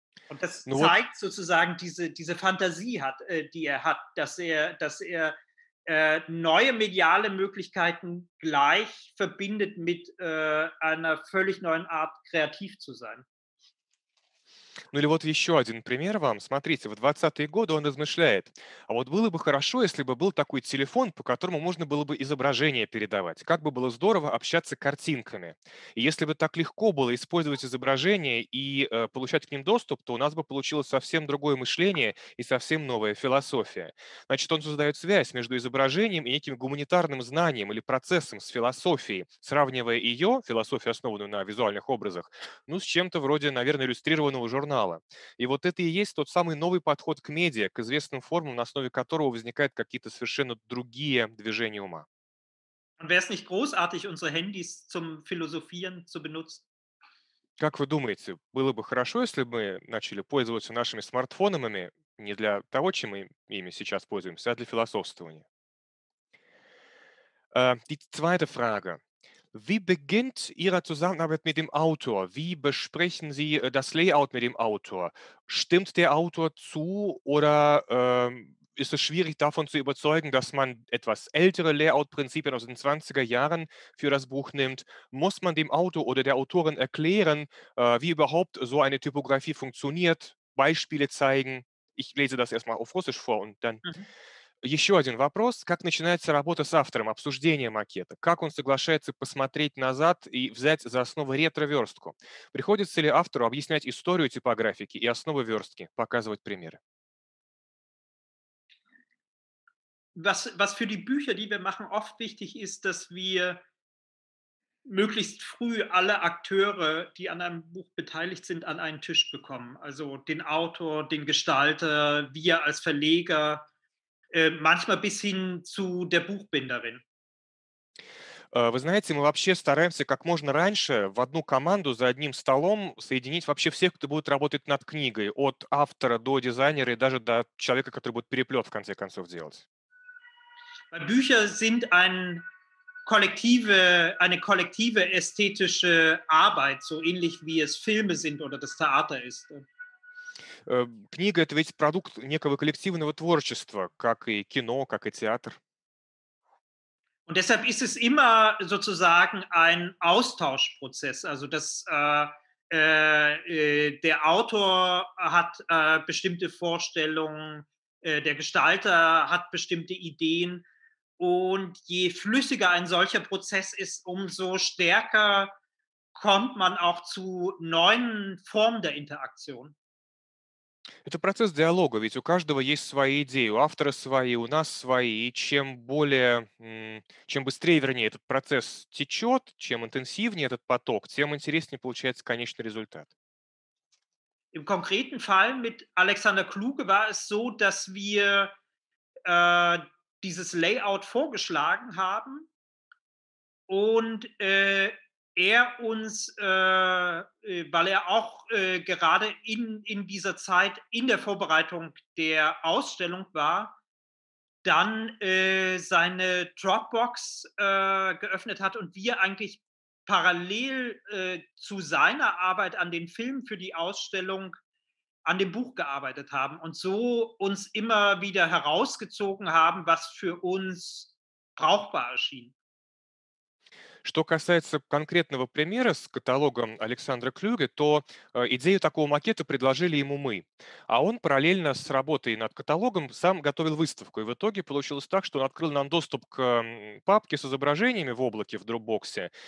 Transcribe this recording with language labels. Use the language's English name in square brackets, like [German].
[German] Und das zeigt sozusagen diese Fantasie, die er hat, dass er neue mediale Möglichkeiten gleich verbindet mit einer völlig neuen Art, kreativ zu sein. [Russian] Ну или вот еще один пример вам. Смотрите, в 20-е годы он размышляет. А вот было бы хорошо, если бы был такой телефон, по которому можно было бы изображение передавать. Как бы было здорово общаться картинками. И если бы так легко было использовать изображения и получать к ним доступ, то у нас бы получилось совсем другое мышление и совсем новая философия. Значит, он создает связь между изображением и неким гуманитарным знанием или процессом с философией, сравнивая ее, философию, основанную на визуальных образах, ну с чем-то вроде, наверное, иллюстрированного уже журнала. И вот это и есть тот самый новый подход к медиа, к известным формам, на основе которого возникают какие-то совершенно другие движения ума. [German] Wäre es nicht großartig, unsere Handys zum Philosophieren zu benutzen? [Russian] Как вы думаете, было бы хорошо, если бы мы начали пользоваться нашими смартфонами не для того, чем мы ими сейчас пользуемся, а для философствования? [German] Die zweite Frage. Wie beginnt Ihre Zusammenarbeit mit dem Autor? Wie besprechen Sie das Layout mit dem Autor? Stimmt der Autor zu oder ist es schwierig davon zu überzeugen, dass man etwas ältere Layout-Prinzipien aus den 20er Jahren für das Buch nimmt? Muss man dem Autor oder der Autorin erklären, wie überhaupt so eine Typografie funktioniert? Beispiele zeigen? Ich lese das erstmal auf Russisch vor und dann... [Russian] Mhm. Еще один вопрос. Как начинается работа с автором, обсуждение макета? Как он соглашается посмотреть назад и взять за основу ретро-верстку? Приходится ли автору объяснять историю типографики и основы верстки, показывать примеры? [German] Was für die Bücher, die wir machen, oft wichtig ist, dass wir möglichst früh alle Akteure, die an einem Buch beteiligt sind, an einen Tisch bekommen. Also den Autor, den Gestalter, wir als Verleger, manchmal bis hin zu der Buchbinderin. [Russian] Вы знаете, мы вообще стараемся как можно раньше в одну команду за одним столом соединить вообще всех, кто будет работать над книгой, от автора до дизайнера и даже до человека, который будет переплет в конце концов делать. [German] Bücher sind eine kollektive ästhetische Arbeit, so ähnlich wie es Filme sind oder das Theater ist. [Russian] Книга – это ведь продукт некого коллективного творчества, как и кино, как и театр. [German] Und deshalb ist es immer sozusagen ein Austauschprozess. Also, dass der Autor hat bestimmte Vorstellungen, der Gestalter hat bestimmte Ideen. Und je flüssiger ein solcher Prozess ist, umso stärker kommt man auch zu neuen Formen der Interaktion. [Russian] Это процесс диалога, ведь у каждого есть свои идеи, у автора свои, у нас свои, и чем более, чем быстрее, вернее, этот процесс течет, чем интенсивнее этот поток, тем интереснее получается конечный результат. [German] Im konkreten Fall mit Alexander Kluge war es so, dass wir dieses Layout vorgeschlagen haben und er uns, weil er auch gerade in dieser Zeit in der Vorbereitung der Ausstellung war, dann seine Dropbox geöffnet hat und wir eigentlich parallel zu seiner Arbeit an den Filmen für die Ausstellung an dem Buch gearbeitet haben und so uns immer wieder herausgezogen haben, was für uns brauchbar erschien. [Russian] Что касается конкретного примера с каталогом Александра Клюге, то идею такого макета предложили ему мы. А он параллельно с работой над каталогом сам готовил выставку. И в итоге получилось так, что он открыл нам доступ к папке с изображениями в облаке в Дропбоксе.